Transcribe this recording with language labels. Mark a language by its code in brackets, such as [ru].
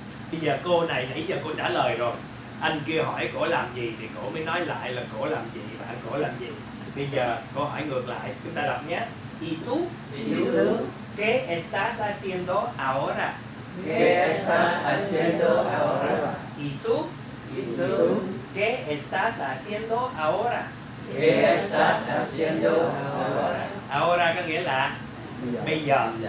[vi] Bây giờ cô này nãy giờ cô trả lời rồi. Anh kia hỏi cổ làm gì thì cổ mới nói lại là cổ làm gì, bạn cổ làm gì. Bây giờ cô hỏi ngược lại, chúng ta đọc nhé. [es] ¿Y tú? ¿Qué estás haciendo ahora? ¿Qué estás haciendo ahora? ¿Y tú? ¿Qué estás haciendo ahora? ¿Qué estás haciendo ahora? [vi] Ahora có nghĩa là bây giờ.